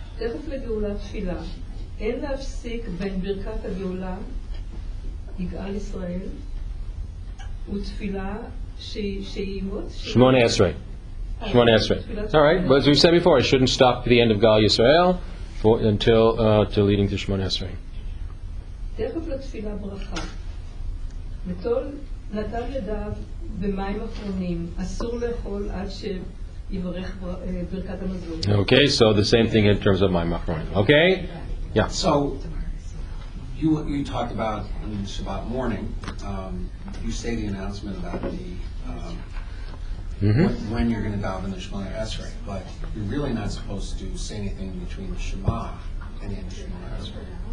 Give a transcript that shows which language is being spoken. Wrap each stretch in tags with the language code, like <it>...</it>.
<en>Shmone Esrei. All right, but as we said before, it shouldn't stop at the end of Gal Yisrael until leading to Shmone Esrei.</en> <he>נתן ידיו במים אחרונים, אסור לאכול עד שיברך ברכת המזון.</he> <en>Okay, so the same thing in terms of my machron. Okay? Yeah. So, you talked about in Shabbat morning, you say the announcement about the when you're going to daven in the Shemona Esrei, but you're really not supposed to say anything between the Shema and the end of Shemona Esrei.</en>